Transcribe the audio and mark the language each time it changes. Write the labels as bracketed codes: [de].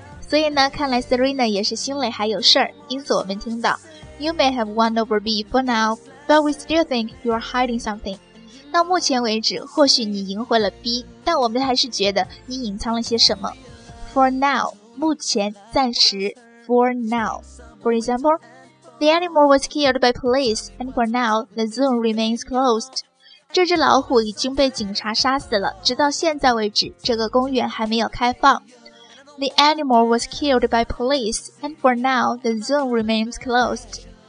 [zh] 所以呢，看来 Serena 也是心里还有事儿，因此我们听到 [en] You may have won over me for now, but we still think you are hiding something. [zh] 到目前为止，或许你赢回了 B, 但我们还是觉得你隐藏了些什么。 [en] For now, 目前，暂时， For now. For example,The animal was killed by police, and for now, the zoo remains closed. [zh] 这只老虎已经被警察杀死了，直到现在为止，这个公园还没有开放。 [en] The animal was killed by police, and for now, the zoo remains closed.